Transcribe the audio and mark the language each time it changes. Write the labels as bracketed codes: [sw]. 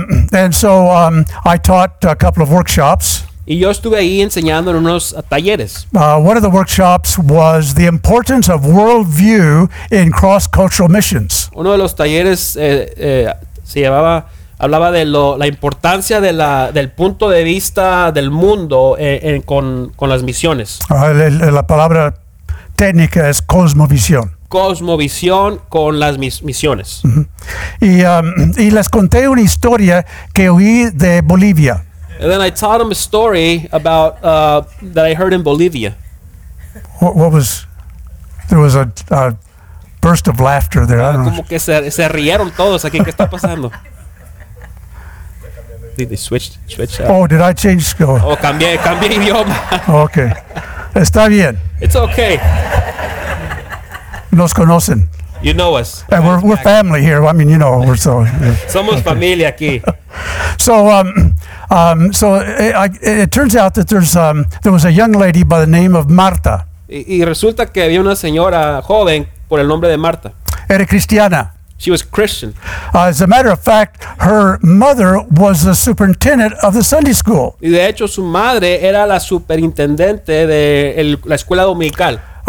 [en] And so I taught a couple of workshops. [es] Y yo estuve ahí enseñando en unos talleres. [en] One of the workshops was the importance of worldview in cross-cultural missions. [es] Uno de los talleres se llamaba, hablaba de la importancia de del punto de vista del mundo con las misiones. La palabra técnica es cosmovisión. Cosmovisión con las misiones. Uh-huh. Y les conté una historia que oí de Bolivia. [en] And then I taught him a story about that I heard in Bolivia. There was a burst of laughter there. I don't [es] como [en] know. [es] Que se rieron todos aquí. ¿Qué está pasando? [en] They switched. Oh, did I change school? [es] Oh, cambié idioma. Okay. Está bien. [en] It's okay. [es] Nos conocen. [en] You know us. And we're family here. I mean, you know, we're so. [es] Somos familia aquí. [en] So it turns out that there was a young lady by the name of Marta. [es] Y resulta que había una señora joven por el nombre de Marta. Era cristiana. [en] She was Christian. As a matter of fact, her mother was the superintendent of the Sunday school. [es] Y de hecho su madre era la superintendente de la escuela dominical.